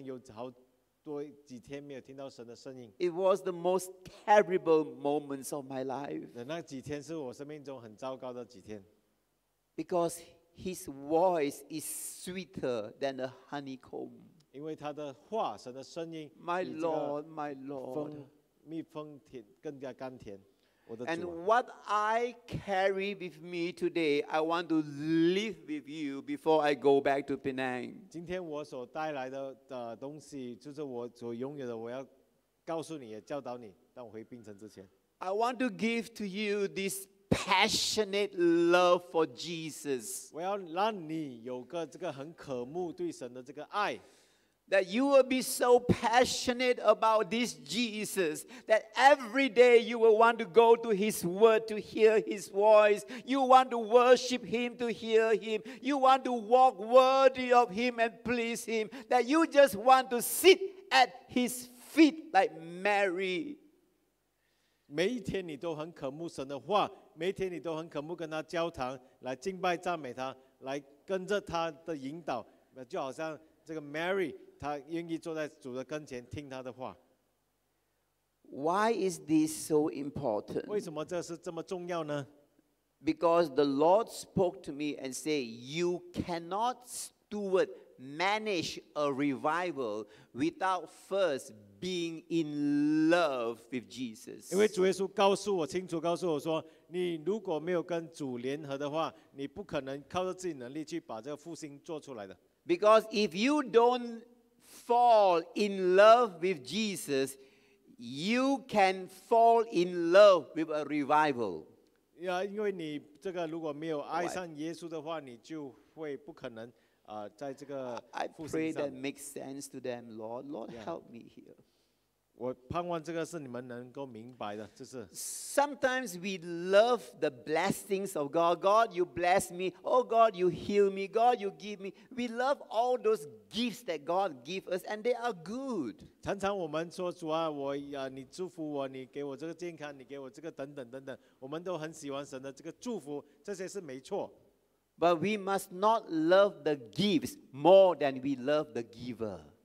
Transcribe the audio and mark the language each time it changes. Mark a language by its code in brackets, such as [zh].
[zh] 在生命当中有一段时间，我好像有好多几天没有听到神的声音。 [en] It was the most terrible moments of my life. [zh] 那几天是我生命中很糟糕的几天。 [en] Because His voice is sweeter than a honeycomb. [zh] 因为他的话，神的声音。 [en] My Lord, My Lord. [zh] 蜜蜂甜，更加甘甜。 [en] And what I carry with me today, I want to leave with you before I go back to Penang. [zh] 今天我所带来的东西，就是我所拥有的。我要告诉你，也教导你，当我回槟城之前。 [en] I want to give to you this. Passionate love for Jesus. [zh] 我要让你有个这个很渴慕对神的这个爱。 [en] That you will be so passionate about this Jesus that every day you will want to go to His Word to hear His voice. You want to worship Him to hear Him. You want to walk worthy of Him and please Him. That you just want to sit at His feet like Mary. [zh] 每一天你都很渴慕神的话。每天你都很渴慕跟他交谈，来敬拜赞美他，来跟着他的引导，就好像这个 Mary， 她愿意坐在主的跟前听他的话。 [en] Why is this so important? [zh] 为什么这是这么重要呢? [en] Because the Lord spoke to me and said, you cannot steward, manage a revival without first being in love with Jesus. [zh] 因为主耶稣告诉我，清楚告诉我说， 你如果没有跟主联合的话， 你不可能靠着自己能力去把这个复兴做出来的。 [en] Because if you don't fall in love with Jesus, you can fall in love with a revival. [zh] Yeah, 因为你这个如果没有爱上耶稣的话， 你就会不可能 [en] I pray that makes sense to them, Lord. Lord, help me here. [zh] 我盼望这个是你们能够明白的, [en] Sometimes we love the blessings of God. God, you bless me. Oh, God, you heal me. God, you give me. We love all those gifts that God gives us, and they are good. [zh] 常常我们说主啊, 你祝福我, 你给我这个健康, 你给我这个等等等等, 我们都很喜欢神的这个祝福, 这些是没错。 [en] But we must not love the gifts more than we love the giver.